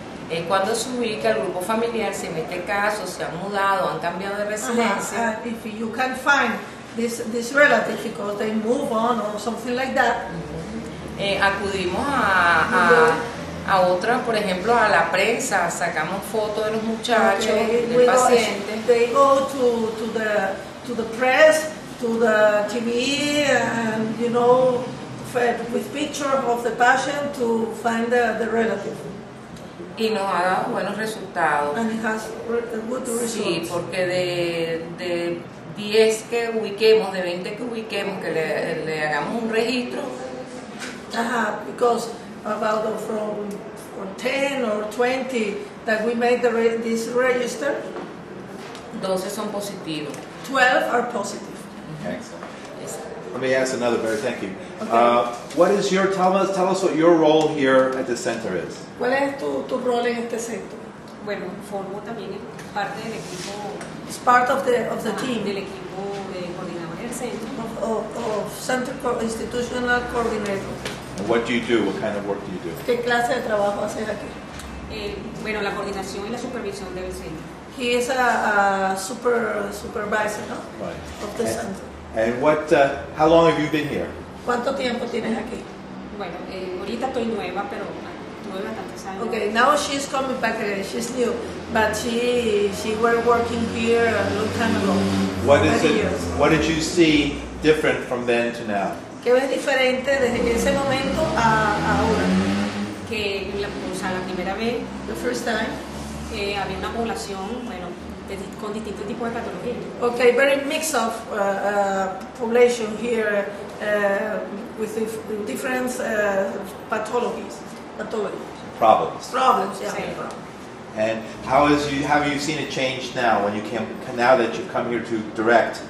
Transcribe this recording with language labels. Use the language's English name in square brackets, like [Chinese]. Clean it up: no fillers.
[Spanish] Es cuando se ubica el grupo familiar, se mete caso, se han mudado, han cambiado de residencia. [English] If you can find this relative because they move on or something like that. [Spanish] Acudimos a otra, por ejemplo, a la prensa, sacamos fotos de los muchachos, okay, del paciente. [English] They go to the press, to the TV, and you know, with picture of the patient to find the relative. [Spanish] Y nos ha dado buenos resultados. [English] And it has good results. [Spanish] Sí, porque de 10 que ubiquemos, de 20 que ubiquemos, que le hagamos un registro. [English] Because about from 10 or 20 that we made this register. [Spanish] 12 son positivos. [English] 12 are positive. Okay. Yes. Let me ask another. Very thank you. Okay. What is your tell us what your role here at the center is? [Spanish] ¿Cuál es tu rol en este centro? Bueno, formo también parte del equipo. [English] It's part of the team. [Spanish] Del equipo de coordinador del centro. [English] Of center institutional coordinator. And what do you do? What kind of work do you do? [Spanish] ¿Qué clase de trabajo haces aquí? Bueno, la coordinación y la supervisión del centro. [English] He is a supervisor, [Spanish] ¿no? [English] Right. Of the center. And what? How long have you been here? [Spanish] ¿Cuánto tiempo tienes aquí? Bueno, ahorita estoy nueva, pero nueva tantos años. [English] Okay, now she's coming back again. She's new, but she were working here a long time ago. What is it? What did you see different from then to now? [Spanish] ¿Qué ves diferente desde ese momento a ahora? Que la primera vez. [English] The first time. [Spanish] Había una población, bueno, con distintos tipos de patologías. [English] Okay, very mix of population here with different pathologies. Problems, yeah. [Spanish] Sí. [English] And have you seen a change now when you now that you've come here to direct?